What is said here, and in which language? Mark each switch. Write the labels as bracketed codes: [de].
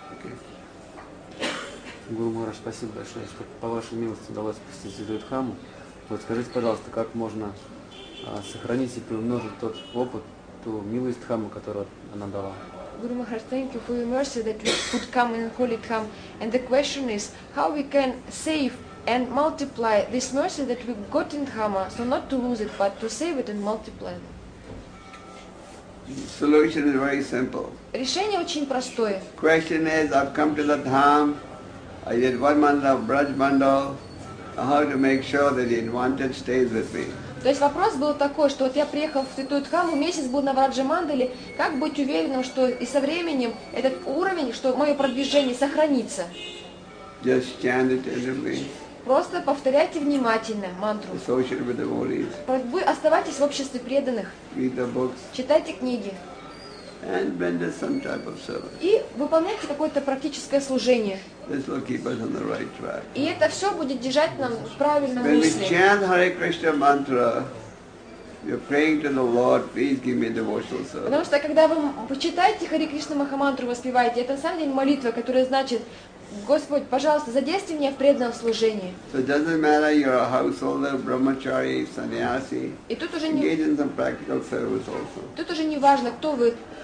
[en] Okay. [ru] Гуру Махарадж, спасибо большое. По вашей милости удалось посетить Адвайта Дхаму. Вот скажите, пожалуйста, как можно сохранить и приумножить тот опыт, ту милость Дхаму, которую она дала. [en] Guru Maharaj, thank you for your mercy that we could come in Holy Dham. And the question is, how we can save and multiply this mercy that we got in Dhamma, so not to lose it, but to save it and multiply it. Solution is very simple. [ru] Решение очень простое. [en] Question is, I've come to the Dham, I did one mandal, Braj mandal, how to make sure that the advantage stays with me. [ru] То есть вопрос был такой, что вот я приехал в Святую Дхаму, месяц был на Враджа-мандале, как быть уверенным, что и со временем этот уровень, что мое продвижение сохранится? [en] Just chant it every... [ru] Просто повторяйте внимательно мантру. [en] Associate with devotees. [ru] Вы оставайтесь в обществе преданных. [en] Read the books. [ru] Читайте книги. [en] And render some type of service. [ru] И выполняйте какое-то практическое служение. [en] This will keep us on the right track. [ru] И это все будет держать нам в правильном [en] When [ru] мысли. [en] When we chant Hare Krishna mantra, you're praying to the Lord, please give me devotional service. [ru] Потому что когда вы читаете Hare Krishna Mahamantra, воспеваете, это на самом деле молитва, которая значит, Господь, пожалуйста, задействуй меня в преданном служении. [en] So it doesn't matter, you're a householder, brahmachari, sannyasi. [ru] И тут уже [en] engage in some practical service also. [ru] Тут уже не важно, кто вы.